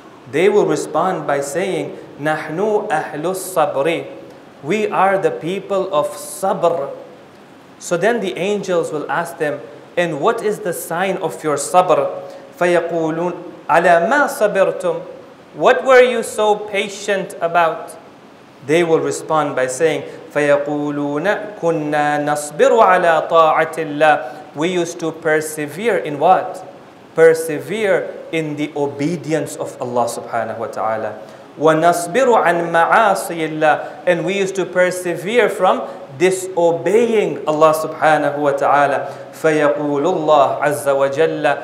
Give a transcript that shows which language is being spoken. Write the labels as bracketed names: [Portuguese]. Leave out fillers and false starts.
[English] They will respond by saying, [Arabic] نَحْنُ أَهْلُ الصَّبْرِ, [English] we are the people of sabr. So then the angels will ask them, "And what is the sign of your sabr?" [Arabic] فَيَقُولُونَ عَلَى مَا صَبِرْتُمْ, [English] What were you so patient about? They will respond by saying, [Arabic] فَيَقُولُونَ كُنَّا نَصْبِرُ عَلَىٰ طَاعَةِ اللَّهِ. [English] We used to persevere in what? Persevere in the obedience of Allah subhanahu wa ta'ala. [Arabic] وَنَصْبِرُ عَنْ مَعَاصِيِ اللَّهِ. [English] And we used to persevere from disobeying Allah subhanahu wa ta'ala. [Arabic] فَيَقُولُ اللَّهُ عَزَّ وَجَلَّ.